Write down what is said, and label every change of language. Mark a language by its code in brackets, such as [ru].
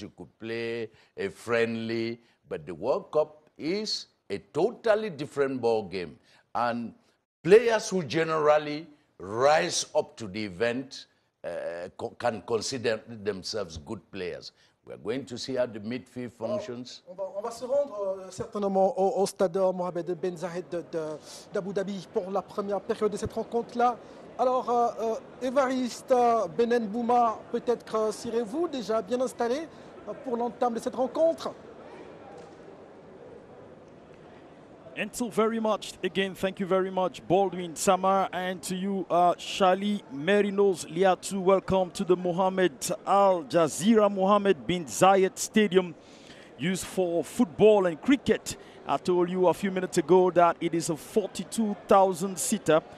[en] You could play a friendly. But the World Cup is a totally different ball game. And players who generally rise up to the event can consider themselves good players. We're going to see how the midfield functions. [fr] On va se rendre certainement au stade Mohamed Ben Zayed d'Abu Dhabi pour la première période de cette rencontre-là. Alors, Evariste Benenbouma, peut-être serez-vous déjà bien installé pour l'entame de cette rencontre. [en] Until very much again, thank you very much, Baldwin Samar, and to you, Charlie Merinos Liatu. Welcome to the Mohamed Al Jazeera Mohamed Bin Zayed Stadium, used for football and cricket. I told you a few minutes ago that it is a 42,000 seater.